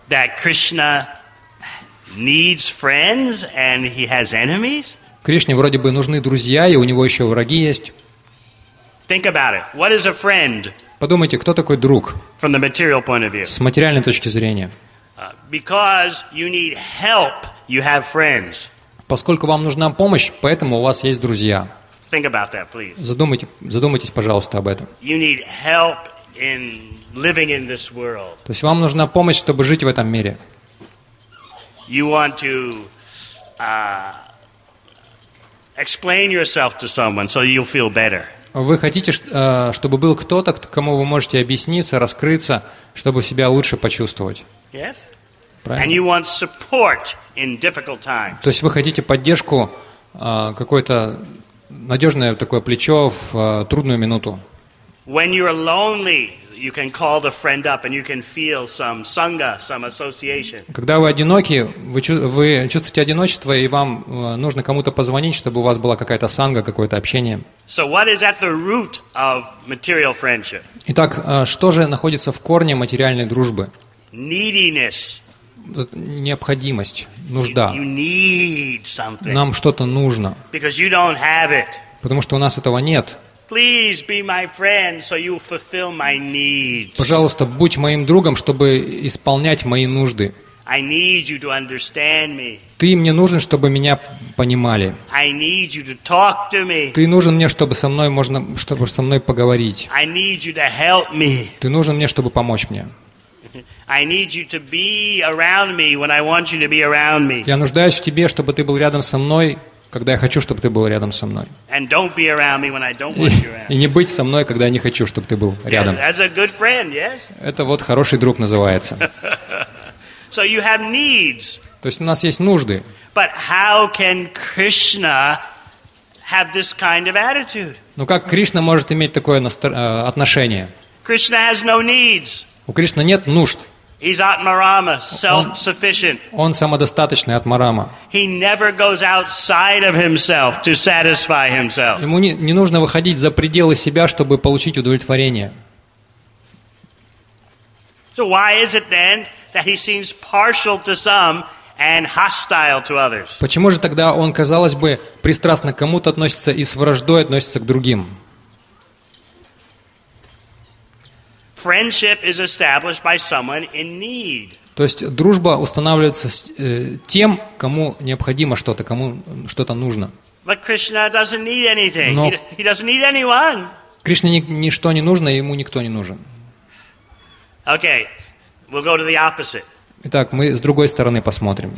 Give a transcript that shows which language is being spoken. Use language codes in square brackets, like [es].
[en] That Krishna needs friends and he has enemies? [ru] Кришне вроде бы нужны друзья, и у него еще враги есть. [en] Think about it. What is a friend? [ru] Подумайте, кто такой друг? [en] From the material point of view. [ru] С материальной точки зрения. [en] Because you need help, you have friends. [ru] Поскольку вам нужна помощь, поэтому у вас есть друзья. [en] Think about that, please. [ru] Задумайтесь, пожалуйста, об этом. [en] You need help in living in this world. [ru] То есть вам нужна помощь, чтобы жить в этом мире. [en] You want to explain yourself to someone so you'll feel better. [ru] Вы хотите, чтобы был кто-то, кому вы можете объясниться, раскрыться, чтобы себя лучше почувствовать. [en] Yes. [ru] Правильно? [en] And you want support in difficult times. [ru] То есть вы хотите поддержку, какое-то надежное такое плечо в трудную минуту. [en] When you're lonely, you can call the friend up and you can feel some sangha, some association. [ru] Когда вы одиноки, вы чувствуете одиночество, и вам нужно кому-то позвонить, чтобы у вас была какая-то сангха, какое-то общение. [en] So what is at the root of material friendship? [ru] Итак, что же находится в корне материальной дружбы? [en] Neediness. [ru] Необходимость, нужда. [en] You need something. [ru] Нам что-то нужно. [en] Because you don't have it. [ru] Потому что у нас этого нет. [en] Please be my friend, so you fulfill my needs. [ru] Пожалуйста, будь моим другом, чтобы исполнять мои нужды. [en] I need you to understand me. [ru] Ты мне нужен, чтобы меня понимали. [en] I need you to talk to me. [ru] Ты нужен мне, чтобы со мной поговорить. [en] I need you to help me. [ru] Ты нужен мне, чтобы помочь мне. [en] I need you to be around me when I want you to be around me. [ru] Я нуждаюсь в тебе, чтобы ты был рядом со мной. Когда я хочу, чтобы ты был рядом со мной. [en] And don't be around me when I don't want you around. [ru] И не быть со мной, когда я не хочу, чтобы ты был рядом. [en] Yeah, that's a good friend, yes? [ru] Это вот хороший друг называется. [en] So you have needs. [ru] То есть у нас есть нужды. [en] But how can Krishna have this kind of attitude? [ru] Ну как Кришна может иметь такое отношение? [en] Krishna has no needs. [ru] У Кришны нет нужд. [en] He's Atmarama, self-sufficient. [ru] Он самодостаточный Атмарама. [en] He never goes outside of himself to satisfy himself. [ru] Ему не нужно выходить за пределы себя, чтобы получить удовлетворение. [en] So why is it then that he seems partial to some and hostile to others? [ru] Почему же тогда он, казалось бы, пристрастно к кому-то относится и с враждой относится к другим? [en] Friendship is established by someone in need. [ru] То есть дружба устанавливается с тем, кому необходимо что-то, кому что-то нужно. [en] But Krishna doesn't need anything. He doesn't need anyone. [ru] Кришне ничто не нужно, и ему никто не нужен. [en] Okay. We'll go to the opposite. [ru] Итак, мы с другой стороны посмотрим.